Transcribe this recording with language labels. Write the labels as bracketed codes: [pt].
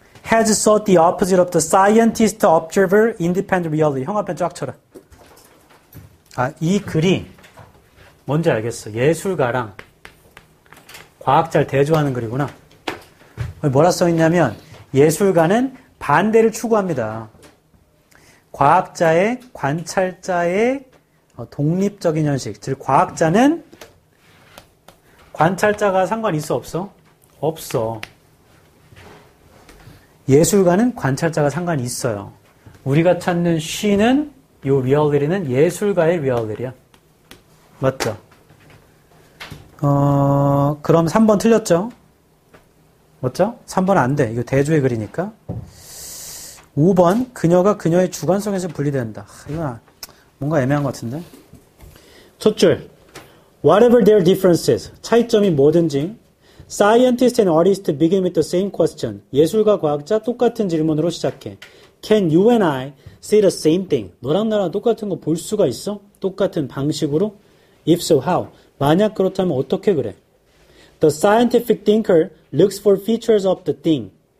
[en] Has sought the opposite of the scientist observer independent reality. [ko] 형 앞에 쫙 쳐라. 아, 이 글이 뭔지 알겠어. 예술가랑 과학자를 대조하는 글이구나. 뭐라 써있냐면 예술가는 반대를 추구합니다. 과학자의 관찰자의 독립적인 현실. 즉 과학자는 관찰자가 상관 있어 없어? 없어. 예술가는 관찰자가 상관 있어요. 우리가 찾는 she는 요 reality는 예술가의 reality야. 맞죠? 그럼 3번 틀렸죠? 맞죠? 3번 안 돼. 이거 대조의 글이니까. 5번 그녀가 그녀의 주관성에서 분리된다. 이거 뭔가 애매한 것 같은데. 첫 줄. [en] Whatever their differences, [ko] 차이점이 뭐든지, [en] scientist and artist begin with the same question. [ko] 예술가, 과학자 똑같은 질문으로 시작해. [en] Can you and I say the same thing? [ko] 너랑 나랑 똑같은 거 볼 수가 있어? 똑같은 방식으로? [en] If so, how? [ko] 만약 그렇다면 어떻게 그래? [en] The scientific thinker looks for features of the thing.